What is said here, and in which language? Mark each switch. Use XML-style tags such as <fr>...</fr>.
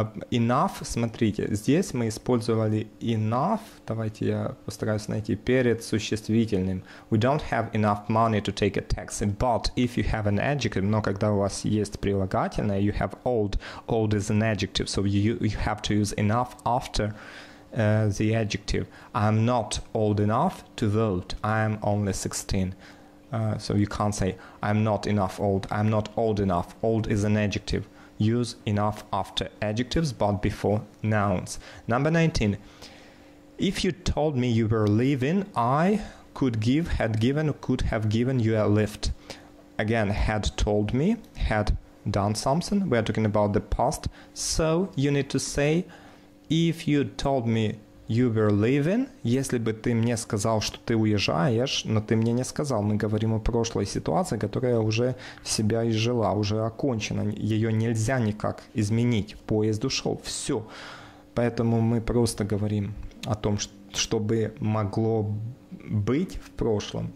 <ru>Enough, смотрите, здесь мы использовали enough, давайте я постараюсь найти, перед существительным.</ru> <en>We don't have enough money to take a taxi, but if you have an adjective,</en> <ru>но когда у вас есть прилагательное,</ru> <en>you have old, old is an adjective, so you have to use enough after the adjective. I'm not old enough to vote, I'm only 16. So you can't say, I'm not enough old, I'm not old enough, old is an adjective. Use enough after adjectives, but before nouns. Number 19. If you told me you were leaving, I could have given you a lift. Again, had told me, had done something. We are talking about the past. So you need to say, if you told me You were leaving.</en> <ru>Если бы ты мне сказал, что ты уезжаешь, но ты мне не сказал. Мы говорим о прошлой ситуации, которая уже себя изжила, уже окончена. Ее нельзя никак изменить. Поезд ушел. Все. Поэтому мы просто говорим о том, что бы могло быть в прошлом.</ru>